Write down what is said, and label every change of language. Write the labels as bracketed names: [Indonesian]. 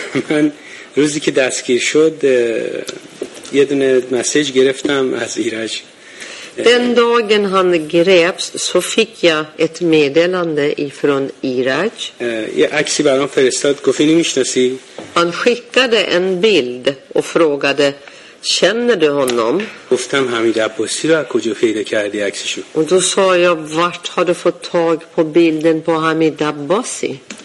[Persian] من روزی که دستگیر شد یه دونه مسیج گرفتم از ایرج. [Swedish] Den dagen han greps så fick jag ett meddelande ifrån Iraj. [Persian] عکسی برام فرستاد گفت اینو میشناسی؟ [Swedish] Han skickade en bild och frågade känner du honom? [Persian] گفتم حمید عباسی رو کجا پیدا کردی عکسشو؟ [Swedish] Och då sa jag vart har du fått tag på bilden på Hamid Abbasi?